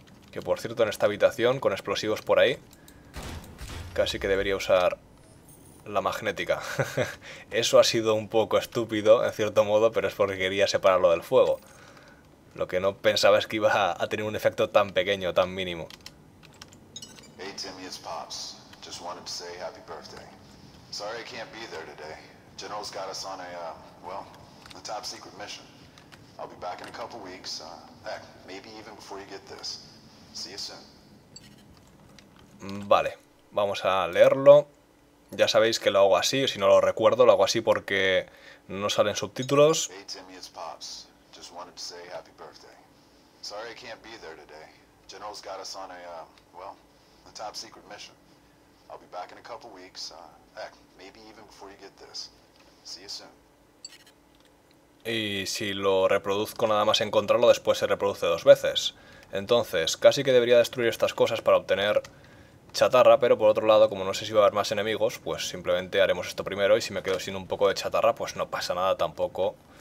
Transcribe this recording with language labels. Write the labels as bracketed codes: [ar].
[es] Que por cierto, en esta habitación con explosivos por ahí... Casi que debería usar la magnética. Eso ha sido un poco estúpido, en cierto modo, pero es porque quería separarlo del fuego. Lo que no pensaba es que iba a tener un efecto tan pequeño, tan mínimo. [en] Hey Timmy, it's Pops. Just wanted to say happy birthday. Sorry I can't be there today. General's got us on a, well, a top secret mission. I'll be back in a couple weeks, heck, maybe even before you get this. See you soon. [es] Vale. Vamos a leerlo. Ya sabéis que lo hago así, si no lo recuerdo, lo hago así porque no salen subtítulos. [en] Hey Timmy, it's Pops. Just wanted to say happy birthday. Sorry I can't be there today. General's got us on a, well, a top secret mission. I'll be back in a couple weeks. Heck, maybe even before you get this. See you soon. [es] Y si lo reproduzco nada más encontrarlo, después se reproduce dos veces. Entonces, casi que debería destruir estas cosas para obtener... chatarra, pero por otro lado, como no sé si va a haber más enemigos, pues simplemente haremos esto primero y si me quedo sin un poco de chatarra, pues no pasa nada tampoco.